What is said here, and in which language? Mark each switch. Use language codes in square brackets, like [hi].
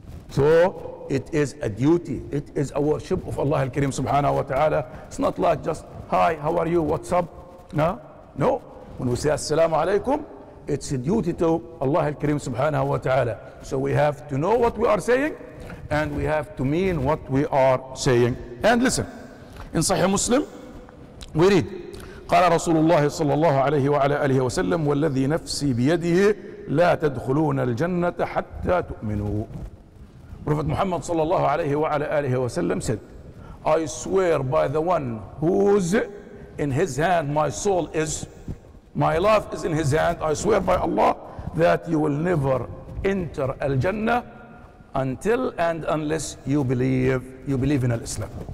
[en] So it is a duty. It is a worship of Allah al-Karim subhanahu wa ta'ala. It's not like just, hi, how are you? What's up? No. When we say assalamu alaikum, it's a duty to Allah al-Karim subhanahu wa ta'ala. So we have to know what we are saying and we have to mean what we are saying. And listen, in Sahih Muslim, we read, [ar] قال رسول الله صلى الله عليه وعلى آله وسلم والذي نفسي بيده لا تدخلون الجنة حتى تؤمنوا. [en] Prophet Muhammad [ar] صلى الله عليه وعلى آله وسلم [en] said, I swear by the one whose in his hand my soul is, my life is in his hand, I swear by Allah that you will never enter الجنة until and unless you believe in Islam.